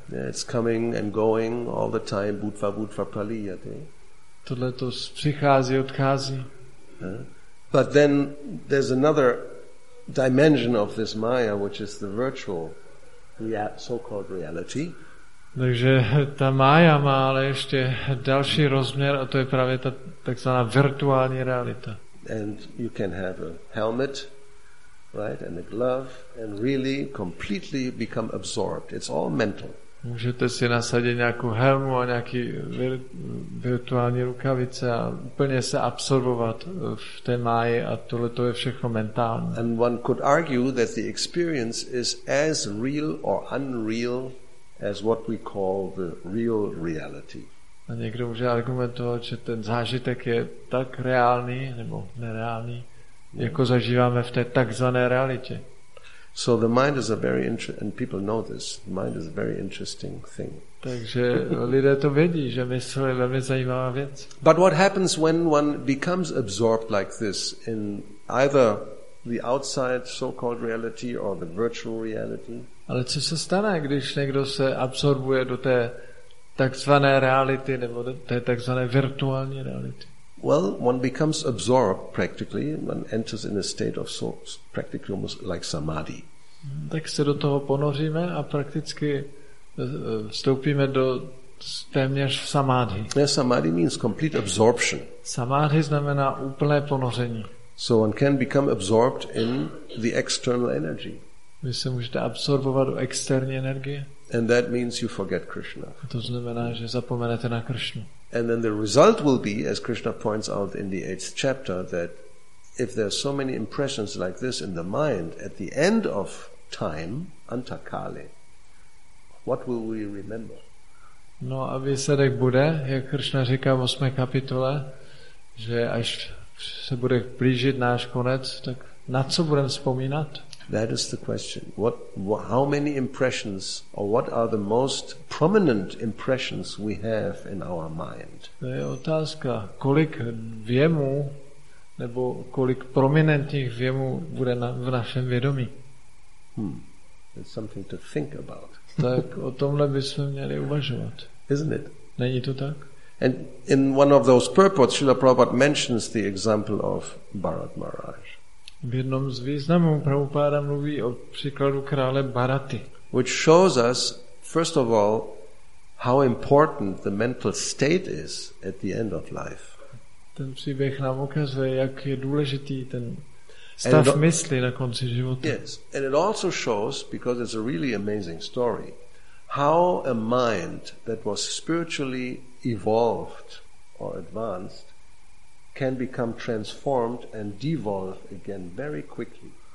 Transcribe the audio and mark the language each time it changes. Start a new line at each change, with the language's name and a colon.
English: Yeah, it's coming and going all the time,
Sanskrit: budva budva praliyate.
Czech: Tohle to přichází, odchází.
English: But then there's another dimension of this Maya, which is the virtual, so-called reality.
Czech: Takže ta Maya má ale ještě další rozměr a to je právě ta takzvaná virtuální realita.
English: And you can have a helmet, right, and a glove and really completely become absorbed. It's all mental.
Czech: Můžete si nasadit nějakou helmu a nějaký virtuální rukavice a úplně se absorbovat v té Maya a tohle to je všechno mentální.
English: And one could argue that the experience is as real or unreal as what we call the real reality.
Czech: A někdo může argumentovat, že ten zážitek je tak reálný nebo nereálný, jako zažíváme v té takzvané realitě.
English: So the mind is a very and people know this. The mind is a very interesting thing.
Czech: Takže lidé to vědí, že mysl je velmi zajímavá věc.
English: But what happens when one becomes absorbed like this in either the outside so-called reality or the virtual reality?
Czech: Ale co se stane, když někdo se absorbuje do té takzvané reality nebo do té takzvané virtuální reality?
English: Well, one becomes absorbed practically, one enters in a state of so practically almost like samadhi.
Czech: Tak se do toho ponoříme a prakticky vstoupíme do téměř samadhi.
English: Samadhi means complete absorption.
Czech: Samadhi znamená úplné ponoření.
English: So one can become absorbed in the external energy.
Czech: Vy se můžete absorbovat do externí energie.
English: And that means you forget Krishna.
Czech: To znamená, že zapomenete na Krishnu.
English: And then the result will be, as Krishna points out in the 8th chapter, that if there are so many impressions like this in the mind, at the end of time, antakale, what will we remember?
Czech: No a výsledek bude, jak Krishna říká v 8. kapitole, že až se bude blížit náš konec, tak na co budeme vzpomínat?
English: That is the question. How many impressions, or what are the most prominent impressions we have in our mind?
Czech: To je otázka, kolik vjemů, nebo kolik prominentních vjemů bude na, v našem vědomí.
English: It's something to think about.
Czech: Tak o tomhle bychom měli uvažovat.
English: Isn't it?
Czech: Není to tak?
English: And in one of those purports, Srila Prabhupada mentions the example of Bharat Maharaj.
Czech: V jednom z významů Prabhupada mluví o příkladu krále Bharaty.
English: Which shows us, first of all, how important the mental state is at the end of life.
Czech: Ten příběh nám ukazuje, jak je důležitý ten stav it, mysli na konci života.
English: Yes, and it also shows, because it's a really amazing story, how a mind that was spiritually evolved or advanced can become transformed and devolve again very quickly.